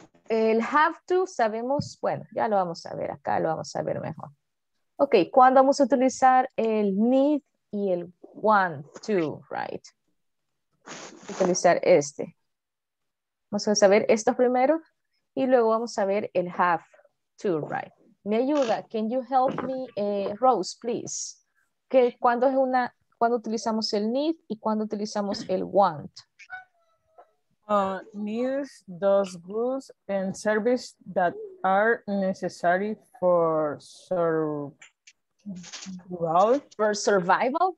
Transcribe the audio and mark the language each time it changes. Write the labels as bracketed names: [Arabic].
[Spanish] El have to, sabemos, bueno, ya lo vamos a ver, acá lo vamos a ver mejor. Okay, ¿cuándo vamos a utilizar el need y el want to, right? Utilizar este. Vamos a saber estos primero y luego vamos a ver el have to, right? Me ayuda, [English] can you help me, Rose, please? [Spanish] Que cuando es una... ¿Cuándo utilizamos el need y cuándo utilizamos el want? [English] Needs those goods and services that are necessary for survival,